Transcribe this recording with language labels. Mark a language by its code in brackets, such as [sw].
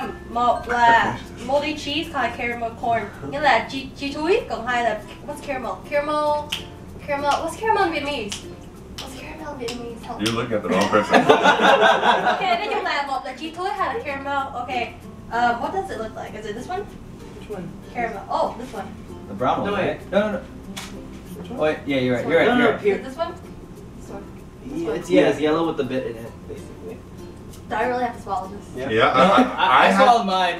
[vi] một là moldy cheese hay caramel corn. Nghĩa là chi thúi, còn hai là [en] what's caramel? Caramel, what's caramel in Vietnamese? What's caramel in Vietnamese? You're looking at the wrong person. [vi] Okay, nói chung là một là chi thúi hay là caramel. [en] Okay, what does it look like? Is it this one? Which one? Caramel. Oh, this one. The brown one. No. Which one? Oh, yeah, you're right. Is it this one? This one? It's yellow with the bit in it. Do I really have to swallow this? Yeah. I swallowed mine.